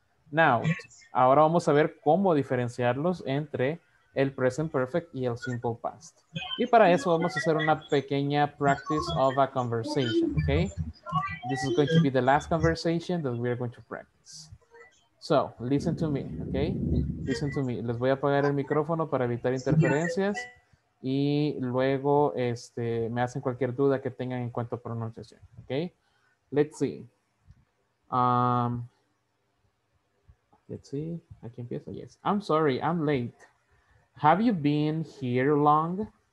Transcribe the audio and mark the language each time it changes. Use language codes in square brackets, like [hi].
[es] Now, ahora vamos a ver cómo diferenciarlos entre el present perfect y el simple past. Y para eso vamos a hacer una pequeña [en] practice of a conversation, [es] okay? [en] This is going to be the last conversation that we are going to practice. So, listen to me, okay? Listen to me. [es] Les voy a apagar el micrófono para evitar interferencias y luego me hacen cualquier duda que tengan en cuanto a pronunciación, okay? [en] Let's see. Let's see. [es] Aquí empiezo. [en] Yes. I'm sorry, I'm late. Have you been here long?